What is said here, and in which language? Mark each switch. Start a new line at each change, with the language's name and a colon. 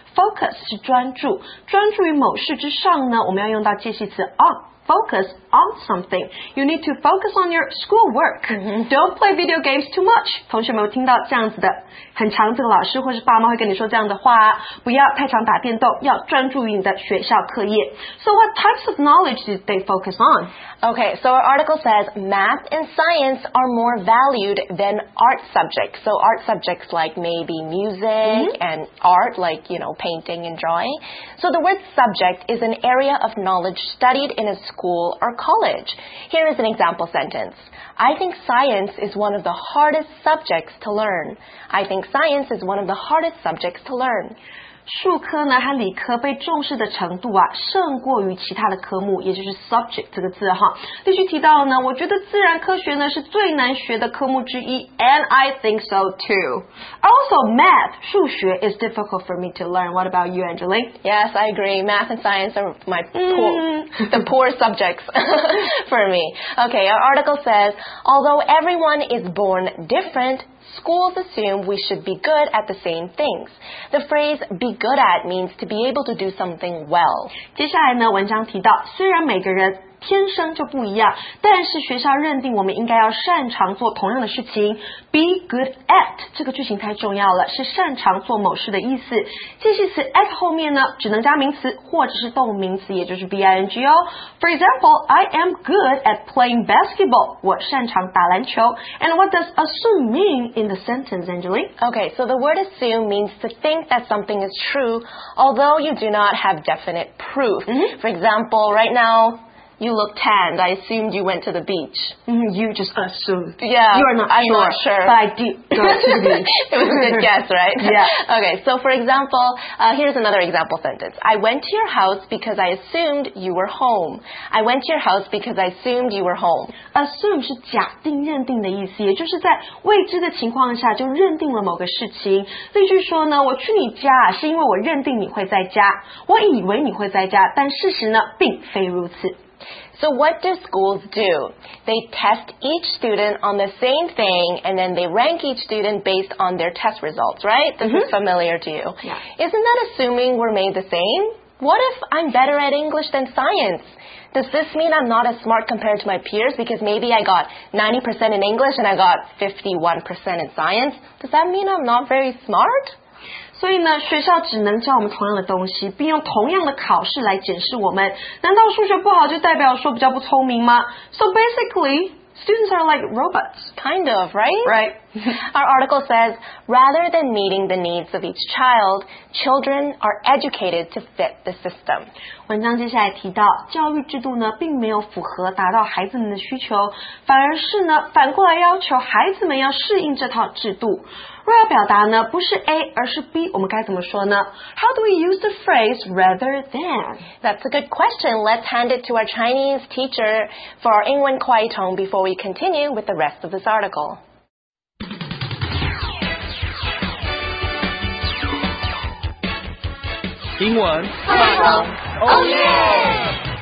Chinese: Focus 是专注。专注于某事之上呢我们要用到介系词 on.
English: Focus on something. You need to focus on your schoolwork. Don't play video games too much.
Chinese: 同学们有听到这样子的，很常这个老师或是爸妈会跟你说这样的话，不要太常打电动，要专注于你的学校课业。
English: So what types of knowledge did they focus on? Okay, so our article says math and science are more valued than art subjects. So art subjects like maybe music、mm-hmm. and art like, you know, painting and drawing. So the word subject is an area of knowledge studied in a school or college. Here is an example sentence. I think science is one of the hardest subjects to learn. I think science is one of the hardest subjects to learn.
Chinese: 数科呢和理科被重视的程度啊，胜过于其他的科目，也就是 subject 这个字哈。例句提到了呢，我觉得自然科学呢是最难学的科目之一 ，
English: and I think so too. Also, math 数学 is difficult for me to learn. What about you, Angelique? Yes, I agree. Math and science are my poor subjects for me. Okay, our article says although everyone is born different. Schools assume we should be good at the same things. The phrase be good at means to be able to do something well.
Chinese: 接下来呢，文章提到，虽然每个人天生就不一样，但是学校认定我们应该要擅长做同样的事情。 Be good at 这个句型太重要了，是擅长做某事的意思。介系词 at 后面呢，只能加名词或者是动名词，也就是 BING 哦。
English: For example, I am good at playing basketball.
Chinese: 我擅长打篮球。
English: And what does assume mean in the sentence, Angeline? Okay, so the word assume means to think that something is true, although you do not have definite proof. For example, right now,You look tanned. I assumed you went to the beach. You just assumed. Yeah. You are not I'm sure. I'm not sure. But I did go to the beach. It was a good guess, right? Yeah. Okay. So, for example, here's another example sentence. I went to your house because I assumed you were home. I went to your house because I assumed you were home.
Chinese: Assume 是假定认定的意思，也就是在未知的情况下就认定了某个事情。例句说呢，我去你家是因为我认定你会在家。我以为你会在家，但事实呢，并非如此。
English: So what do schools do? They test each student on the same thing, and then they rank each student based on their test results, right? This is familiar to you. Yeah. Isn't that assuming we're made the same? What if I'm better at English than science? Does this mean I'm not as smart compared to my peers? Because maybe I got 90% in English and I got 51% in science. Does that mean I'm not very smart?
Chinese: 所以呢，学校只能教我们同样的东西，并用同样的考试来检视我们。难道数学不好就代表说比较不聪明吗？
English: So basically, students are like robots. Kind of, right? Right. Our article says, rather than meeting the needs of each child, children are educated to fit the system.
Chinese: 文章接下来提到，教育制度呢，并没有符合达到孩子们的需求，反而是呢，反过来要求孩子们要适应这套制度。若要表达呢，不是 A 而是 B， 我们该怎么说呢？
English: How do we use the phrase rather than? That's a good question. Let's hand it to our Chinese teacher for our 英文快通 before we continue with the rest of this article.
Chinese: 英文快通 ，
English: Oh yeah!